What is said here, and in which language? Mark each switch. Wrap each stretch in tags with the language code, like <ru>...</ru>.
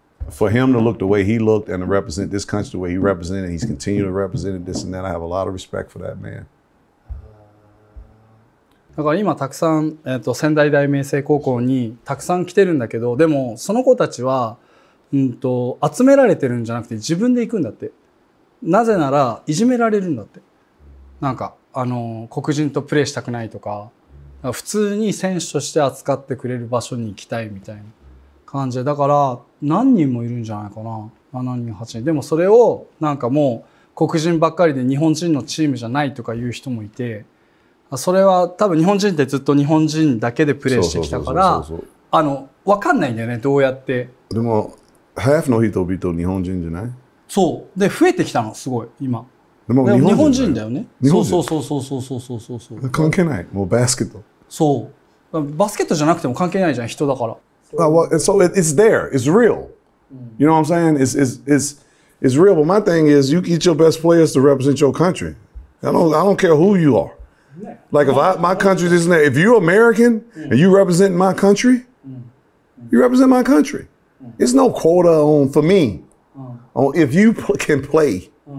<en>For him to look the way he looked and to represent this country the way he represented, he's continued to represent this and that. I have a lot of respect for that man.</en> <ja>だから今たくさん、仙台大明星高校にたくさん来てるんだけど、でもその子たちは、集められてるんじゃなくて自分で行くんだって。なぜならいじめられるんだって。なんか黒人とプレーしたくないとか、普通に選手として扱ってくれる場所に行きたいみたいな感じで、だから何人もいるんじゃないかな、7人8人。でもそれをなんかもう黒人ばっかりで日本人のチームじゃないとかいう人もいて、それは多分日本人ってずっと日本人だけでプレーしてきたから、分かんないんだよね、どうやって。でも half の人々日本人じゃない？そうで増えてきたのすごい今。でも日本人だよね。そう関係ない、もうバスケット。そうバスケットじゃなくても関係ないじゃん、人だから。</ja> <en>So it's there. It's real. You know what I'm saying? It's real. But my thing is, you get your best players to represent your country. I don't care who you are. Like if my country isn't there, if you're American and you represent my country, you represent my country. It's no quota on for me. On if you can play.</en>